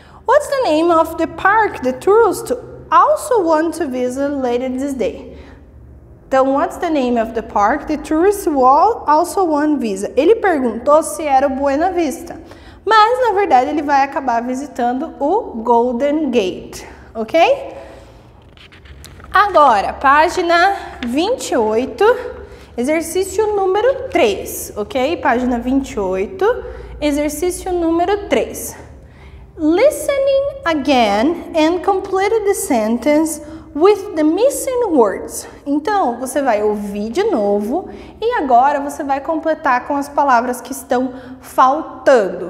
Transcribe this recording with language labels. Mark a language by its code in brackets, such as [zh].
[en] What's the name of the park the tourist also want to visit later this day? Então, what's the name of the park the tourist will also want to visit? [pt] Ele perguntou se era o Buena Vista. Mas, na verdade, ele vai acabar visitando o Golden Gate, ok? Agora, página 28, exercício número 3, ok? Página 28, exercício número 3. [en] Listening again and complete the sentence with the missing words. [pt] Então, você vai ouvir de novo e agora você vai completar com as palavras que estão faltando.